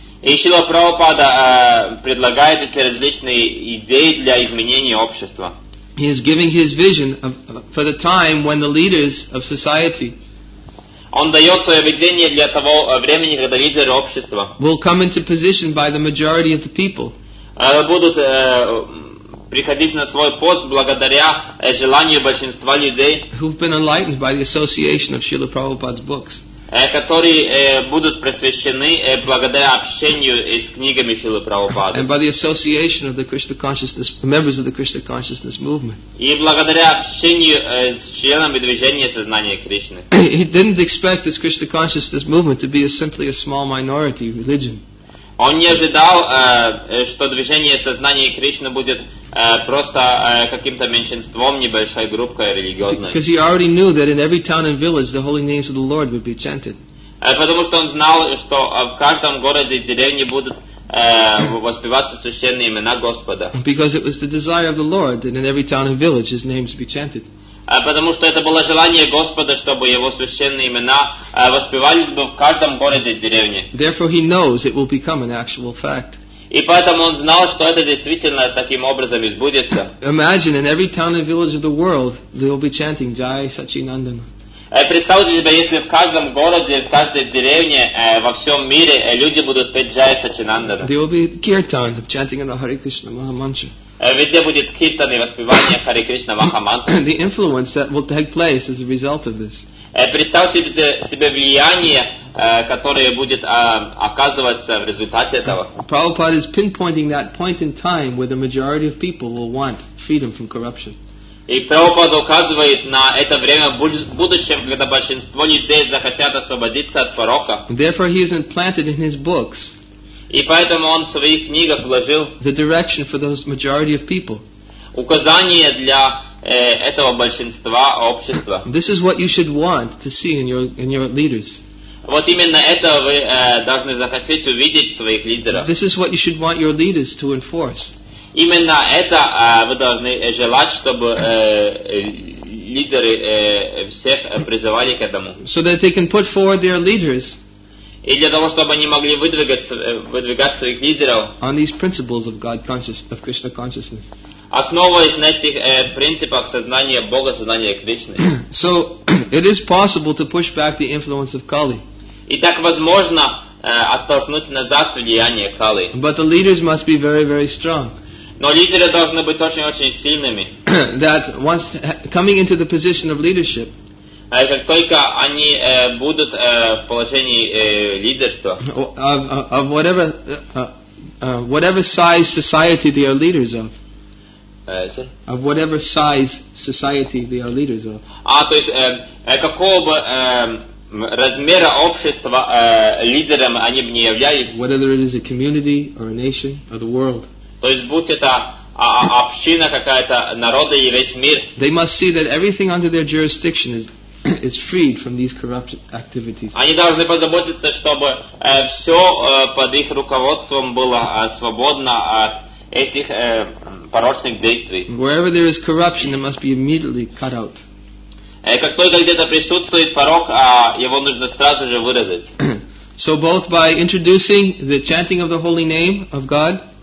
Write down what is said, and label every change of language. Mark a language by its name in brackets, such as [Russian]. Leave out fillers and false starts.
[Russian] И Шрила Прабхупада предлагает эти различные идеи для изменения общества. [English] He is giving his vision for the time when the leaders of society, [Russian] он дает свое видение для того времени, когда лидеры общества, [English] will come into position by the majority of the people, [Russian] будут приходить на свой пост благодаря желанию большинства людей, [English] who've been enlightened by the association of Srila Prabhupada's books, [Russian] которые будут просвещены благодаря общению с книгами Шрилы Прабхупады. [English] And by the association of the Krishna consciousness, members of the Krishna consciousness movement. [Russian] И благодаря общению с членами движения сознания Кришны. [English] He didn't expect this Krishna consciousness movement to be simply a small minority religion. [Russian] Он не ожидал, что движение сознания Кришны будет просто каким-то меньшинством, небольшой группой религиозной. [English] Because he already knew that in every town and village the holy names of the Lord would be chanted. [Russian] Потому что он знал, что в каждом городе и деревне будут воспеваться священные имена Господа. [English] Because it was the desire of the Lord that in every town and village his names be chanted. [Russian] Потому что это было желание Господа, чтобы его священные имена воспевались бы в каждом городе и деревне. [English] Therefore he knows it will become an actual fact. [Russian] И поэтому он знал, что это действительно таким образом избудется. [English] Imagine in every town and village of the world they will be chanting Jai Sachi Nandana. [Russian] Представьте себе, если в каждом городе, в каждой деревне, во всем мире люди будут петь Jai Sachi Nandana. [English] There will be kirtan of chanting in the Hare Krishna Maha Mantra. [Russian] Везде будет киртан и воспевание Хари Кришна Маха Мантра. [English] The influence that will take place as a result of this. [Russian] Представьте себе влияние, которое будет оказываться в результате этого. [English] Prabhupada is pinpointing that point in time where the majority of people will want freedom from corruption. [Russian] И Прабхупада указывает на это время в будущем, когда большинство людей захотят освободиться от порока. [English] Therefore he has implanted in his books, [Russian] и поэтому он в своих книгах вложил [English] the direction for those majority of people. [Russian] Указание для этого большинства общества. [English] This is what you should want to see in your leaders. [Russian] Вот именно это вы должны захотеть увидеть своих лидеров. [English] This is what you should want your leaders to enforce. [Russian] Именно это вы должны желать, чтобы лидеры всех призывали к этому. [English] So that they can put forward their leaders. [Russian] И для того, чтобы они могли выдвигать своих лидеров [English] on these principles of Krishna consciousness. [Russian] основываясь на этих принципах сознания Бога, сознания Кришны. [English] So it is possible to push back the influence of Kali. [Russian] И так возможно оттолкнуть назад влияние Кали. [English] But the leaders must be very, very strong. [Russian] Но лидеры должны быть очень, очень сильными. [English] That once coming into the position of leadership, [Russian] как только они будут в положении лидерства, [English] of whatever whatever size society they are leaders of. Of whatever size society they are leaders of. [Russian] А то есть какого бы размера общества лидером они бы не являлись. [English] Whether it is a community or a nation or the world. [Russian] То есть будь это община какая-то, народы и весь мир. [English] They must see that everything under their jurisdiction is freed from these corrupt activities. [Russian] Они должны позаботиться, чтобы все под их руководством было свободно от этих порочных действий. [English] Wherever there is corruption, it must be immediately cut out. [Russian] Как только где-то присутствует порок, его нужно сразу же вырезать. [English] So both by introducing the chanting of the holy name of God.